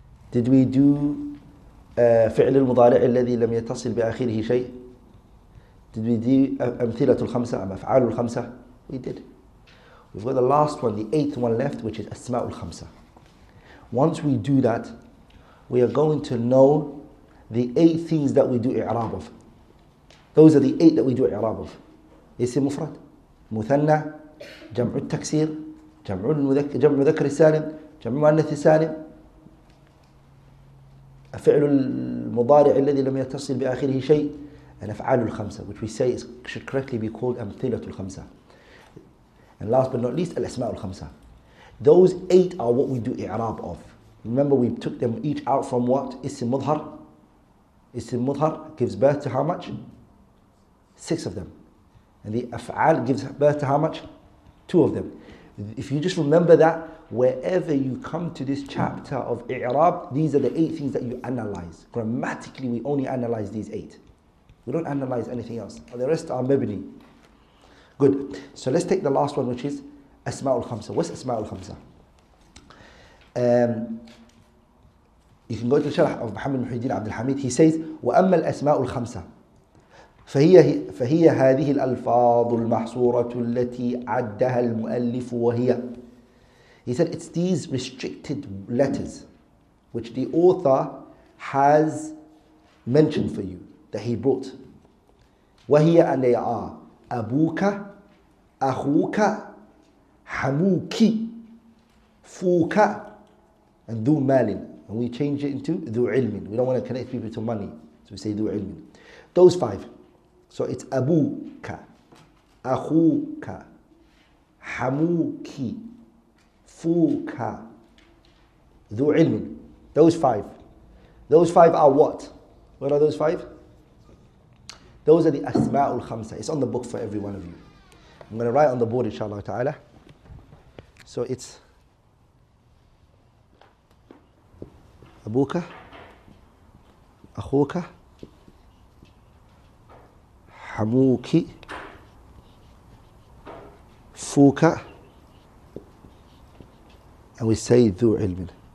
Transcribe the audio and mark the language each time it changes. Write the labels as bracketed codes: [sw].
[en] Did we do [ar] فعل المضارع الذي لم يتصل بأخيره شيء؟ Did we do أمثلة الخمسة أم أفعال الخمسة؟ [en] We did. We've got the last one, the eighth one left, which is أسماء الخمسة. Once we do that, we are going to know the eight things that we do إعراب of. Those are the eight that we do إعراب of. [ar] اسم مفرد، مثنى، جمع التكسير، جمع ذكر السالم، جمع مؤنث السالم، فعل المضارع الذي لم يتصل بآخره شيء، الأفعال الخمسة، [en] which we say is, should correctly be called [ar] أمثلة الخمسة. [en] And last but not least, الأسماء الخمسة. Those eight are what we do إعراب of. Remember, we took them each out from what? اسم مظهر. اسم مظهر gives birth to how much? Six of them. And the أفعال gives birth to how much? Two of them. If you just remember that, wherever you come to this chapter of إعراب, these are the eight things that you analyze. Grammatically, we only analyze these eight. We don't analyze anything else. The rest are mabni. Good. So let's take the last one, which is أسماء الخمسة. What's أسماء الخمسة? You can go to the sharh of Muhammad Muhyiddin Abdul Hamid. He says, [ar] وأما الأسماء الخمسة فهي هذه الألفاظ المحصورة التي عدها المؤلف وهي. [en] He said, it's these restricted letters which the author has mentioned for you that he brought. [ar] وهي, [en] and they are [ar] أبوك أخوك حموك فوك and ذو مال. [en] And we change it into ذو علم. We don't want to connect people to money, so we say ذو علم. Those five. [ar] So it's أبوك أخوك حموك فوك ذو علم. [en] Those five. Those five are what? What are those five? Those are the Asma'ul Khamsa. It's on the book for every one of you. I'm going to write on the board, inshallah ta'ala. So it's [ar] أبوك أخوك حموك فوك [en] and we say [ar] ذو علم.